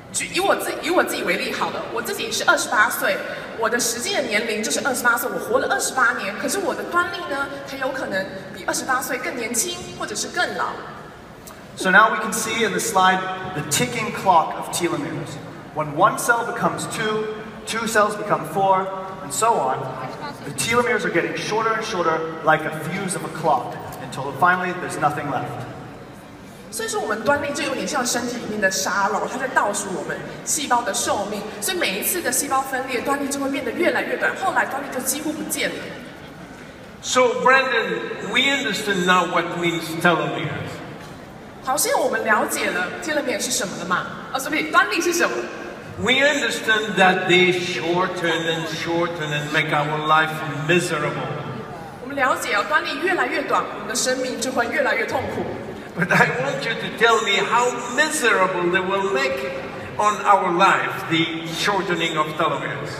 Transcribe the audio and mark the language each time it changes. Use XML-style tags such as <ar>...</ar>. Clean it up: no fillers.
<zh>以我自己为例好了，我自己是28岁，我的实际的年龄就是28岁，我活了28年，可是我的端粒呢，它有可能比28岁更年轻或者是更老。</zh> <en>So now we can see in the slide the ticking clock of telomeres. When one cell becomes two, two cells become four, and so on, the telomeres are getting shorter and shorter like a fuse of a clock. Until finally, there's nothing left.</en> <zh>所以说我们端粒就有点像身体里面的沙漏，它在倒数我们细胞的寿命。所以每一次的细胞分裂，端粒就会变得越来越短，后来端粒就几乎不见了。</zh> <en>So Brandon, we understand now what means telomeres.</en> <zh>好，现在我们了解了 telomere 是什么了吗？端粒是什么？</zh> <en>We understand that they shorten and shorten and make our life miserable.</en> <zh>了解哦，端粒越来越短，我们的生命就会越来越痛苦。</zh> <en>But I want you to tell me how miserable they will make on our life the shortening of telomeres.</en>